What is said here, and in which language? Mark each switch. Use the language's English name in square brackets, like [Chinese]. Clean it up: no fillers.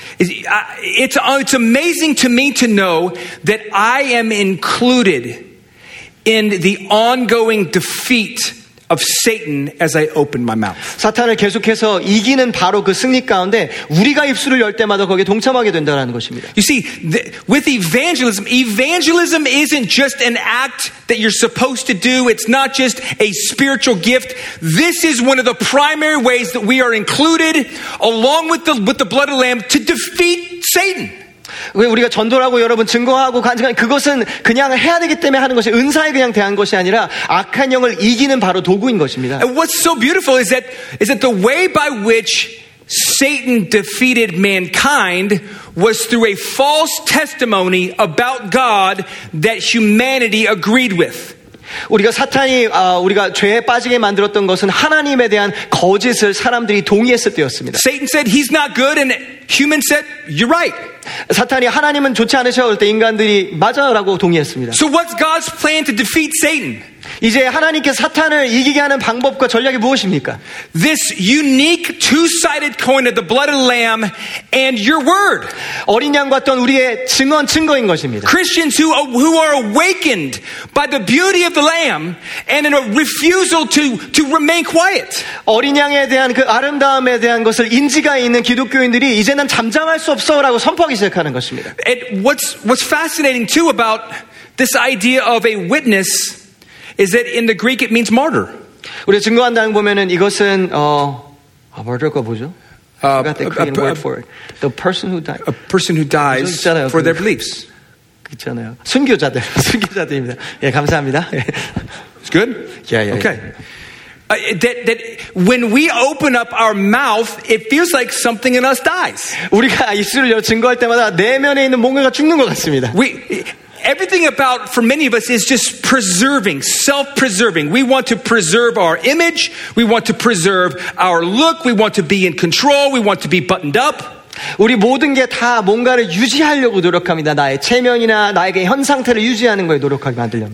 [English] It's amazing to me to know that I am included in the ongoing defeat of Satan as I open my mouth. [Korean] 사탄을 계속해서 이기는 바로 그 승리 가운데 우리가 입술을 열 때마다 거기에 동참하게 된다는 것입니다. [English] You see, with evangelism isn't just an act that you're supposed to do. It's not just a spiritual gift. This is one of the primary ways that we are included along with the blood of the lamb to defeat Satan. [Korean] 우리가 전도라고 여러분 증거하고 간증하는 그것은 그냥 해야 되기 때문에 하는 것이 은사에 그냥 대한 것이 아니라 악한 영을 이기는 바로 도구인 것입니다. [English] And what's so beautiful is that the way by which Satan defeated mankind was through a false testimony about God that humanity agreed with. [Korean] 우리가 사탄이 우리가 죄에 빠지게 만들었던 것은 하나님에 대한 거짓을 사람들이 동의했을 때였습니다. [English] Satan said he's not good and human said you're right. [Korean] 사탄이 하나님은 좋지 않으셔 할 때 인간들이 맞아라고 동의했습니다. [English] So what's God's plan to defeat Satan? [Korean] 이제 하나님께 사탄을 이기게 하는 방법과 전략이 무엇입니까? [English] This unique two-sided coin of the blood of the lamb and your word. [Korean] 어린 양과 어떤 우리의 증언 증거인 것입니다. [English] Christians who are awakened by the beauty of the lamb and in a refusal to remain quiet. [Korean] 어린 양에 대한 그 아름다움에 대한 것을 인지가 있는 기독교인들이 이제 난 잠잠할 수 없어라고 선포하기 시작하는 것입니다. [English] And what's fascinating too about this idea of a witness is that in the Greek it means martyr. [Korean] 우리 증거한다는 보면은 이것은 martyr가 뭐죠? [English] I got the Korean word for it. The person who died. A person who dies for their beliefs. [Korean] 있잖아요. 순교자들. 순교자들입니다. 예, 감사합니다. [English] It's good? Yeah. Okay. Yeah. That when we open up our mouth, it feels like something in us dies. [Korean] 우리가 입술을 열어 증거할 때마다 내면에 있는 뭔가가 죽는 것 같습니다. [English] Everything about, for many of us, is just preserving, self-preserving. We want to preserve our image. We want to preserve our look. We want to be in control. We want to be buttoned up. [Korean] 우리 모든 게 다 뭔가를 유지하려고 노력합니다. 나의 체면이나 나에게 현 상태를 유지하는 거에 노력하게 만들려고.